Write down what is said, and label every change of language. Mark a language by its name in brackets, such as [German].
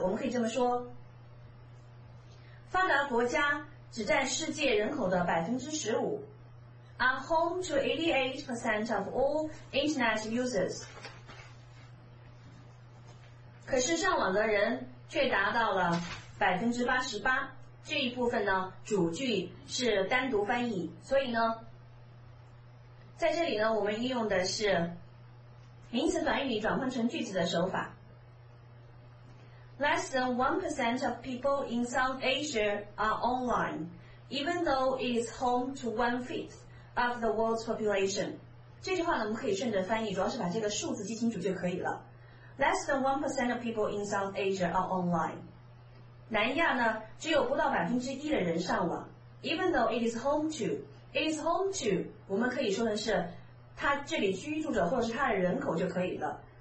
[Chinese] 我们可以这么说，发达国家只占世界人口的 15%， [English] are home to 88% of all internet users， [Chinese] 可是上网的人却达到了 88%。这一部分呢，主句是单独翻译，所以呢，在这里呢，我们应用的是名词短语转换成句子的手法。 [English] Less than 1% of people in South Asia are online even though it is home to one-fifthof the world's population。 [Chinese] 这句话呢，我们可以顺着翻译，主要是把这个数字记清楚就可以了。 [English] Less than 1% of people in South Asia are online， [Chinese] 南亚呢只有不到 1% 的人上网。 [English] Even though it is home to [Chinese] 我们可以说的是它这里居住者或者是它的人口就可以了。